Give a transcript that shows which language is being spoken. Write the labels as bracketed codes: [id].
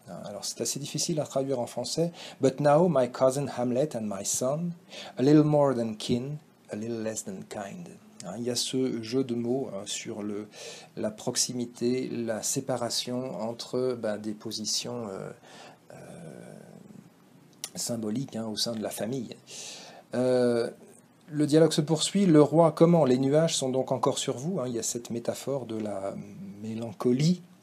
[fr] Alors, c'est assez difficile à traduire en français. [en] But now, my cousin Hamlet and my son, a little more than kin, a little less than kind. [fr] Il y a ce jeu de mots sur la proximité, la séparation entre ben, des positions symboliques hein, au sein de la famille. Le dialogue se poursuit. Le roi, comment? Les nuages sont donc encore sur vous. Il y a cette métaphore de la mélancolie.